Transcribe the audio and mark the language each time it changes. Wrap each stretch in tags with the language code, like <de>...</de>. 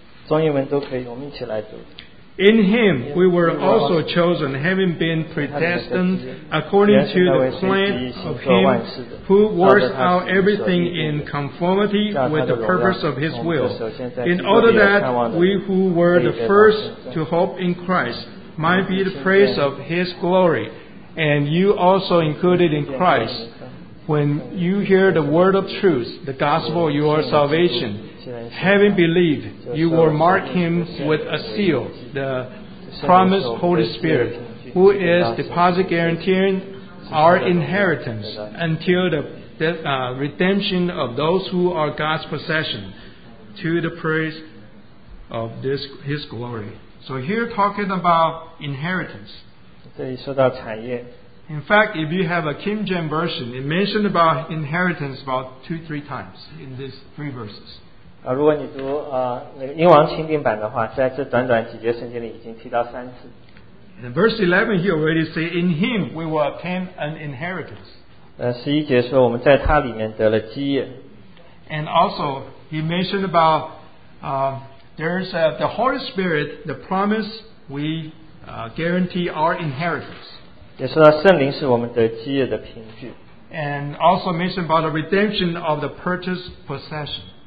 <zh>中英文都可以, 我们一起来读.</zh> <en>In Him we were also chosen, having been predestined according to the plan of Him who works out everything in conformity with the purpose of His will, in order that we who were the first to hope in Christ might be the praise of His glory, and you also included in Christ when you hear the word of truth, the gospel of your salvation. Having believed, you will mark him with a seal, the promised Holy Spirit, who is deposit guaranteeing our inheritance until the redemption of those who are God's possession, to the praise of this His glory. So here talking about inheritance. In fact, if you have a King James Version, it mentioned about inheritance about 2-3 times in these 3 verses.</en> <zh>如果你读, 英王钦定版的话, 在这短短几节圣经里已经提到三次。</zh> <en>In verse 11, he already said, in Him we will obtain an inheritance.</en> <zh>11节说,</zh> <en>and also, he mentioned about there's the Holy Spirit, the promise we guarantee our inheritance.</en> <zh>也说到圣灵是我们得基业的凭据。</zh> <en>And also mentioned about the redemption of the purchased possession.</en>